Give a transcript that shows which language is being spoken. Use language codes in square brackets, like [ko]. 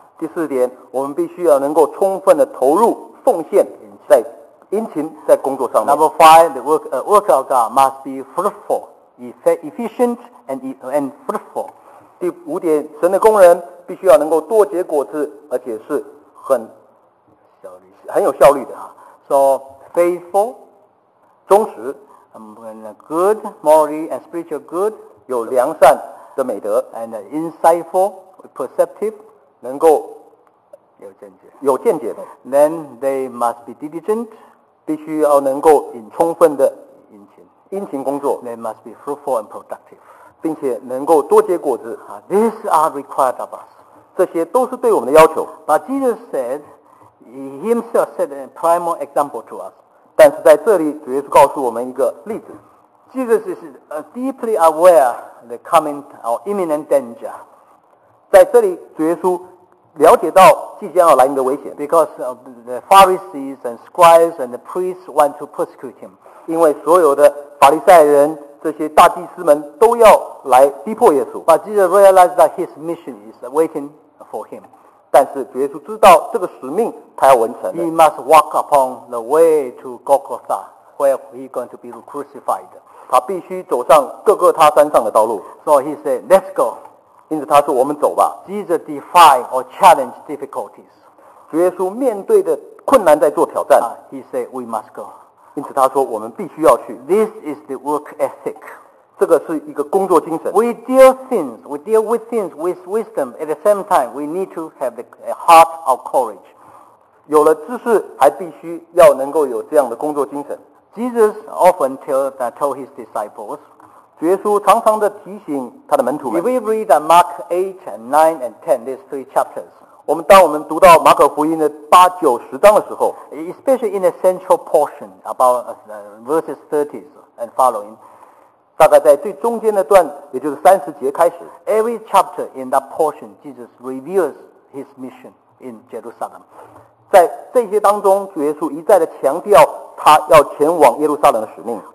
[zh] 第四点，我们必须要能够充分的投入奉献在殷勤在工作上面。 [en] Number five, the worker of God must be fruitful, efficient and fruitful. [zh] 第五点，神的工人必须要能够多结果子，而且是很效率，很有效率的。 [en] So faithful. [zh] 忠实 [en] good, morally and spiritual good, [zh] 有良善的美德 [en] and insightful, perceptive, [zh] 能够有见解的 [en] then they must be diligent, [zh] 必须要能够充分的殷勤工作 [en] they must be fruitful and productive, [zh] 并且能够多结果子 [en] these are required of us, [zh] 这些都是对我们的要求 [en] but Jesus said, he himself set a primal example to us, [zh] 但是在这里，主耶稣告诉我们一个例子。 [en] Jesus is deeply aware of the coming or imminent danger. [zh] 在这里主耶稣了解到即将要来临的危险。 [en] Because the Pharisees and scribes and the priests want to persecute him. [zh] 因为所有的法利赛人这些大祭司们都要来逼迫耶稣。 [en] But Jesus realized that his mission is waiting for him. [zh] 但是主耶稣知道这个使命他要完成的。 [en] He must walk upon the way to Golgotha, where he going to be crucified. [zh] 他必须走上各个他山上的道路。 [en] So he said, "Let's go." [zh] 因此他说我们走吧。 [en] Jesus defied or challenged difficulties. [zh] 主耶稣面对的困难在做挑战。 [en] He said, "We must go." [zh] 因此他说我们必须要去。 [en] This is the work ethic. [zh] 这个是一个工作精神。 [en] We deal things, we deal with things with wisdom. At the same time, we need to have a heart of courage. [zh] 有了知识还必须要能够有这样的工作精神。 [en] Jesus often told his disciples, [zh] 主耶稣常常地提醒他的门徒们。 [en] If we read Mark 8 and 9 and 10, these three chapters, [zh] 我们当我们读到马可福音的八九十章的时候， [en] especially in the central portion about verses 30 and following, [zh] 大概在最中间的段，也就是三十节开始， [en] every chapter in that portion, Jesus reveals his mission in Jerusalem. [zh] 在这些当中，主耶稣一再地强调他要前往耶路撒冷的使命。